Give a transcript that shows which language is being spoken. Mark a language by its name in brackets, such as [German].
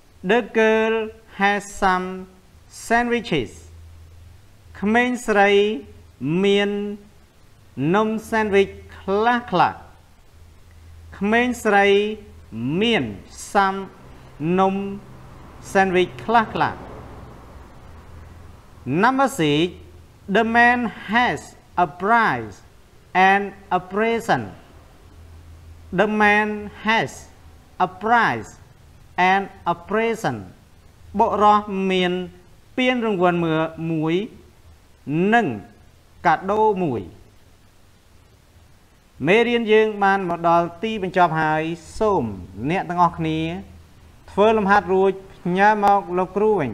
[English] The girl has some sandwiches [Khmer] ក្មេងស្រីមាននំសែនវិចខ្លះខ្លះក្មេងស្រីមាន some នំសែនវិចខ្លះខ្លះ [English] Number 6 The man has a prize and a present. The man has a prize and a present. [Khmer] បុរសមានពានរង្វាន់មួយនិងកាដូមួយ មេរៀនយើងបានមកដល់ទីបញ្ចប់ហើយសូមអ្នកទាំងអស់គ្នាធ្វើលំហាត់រួចផ្ញើមកលោកគ្រូវិញ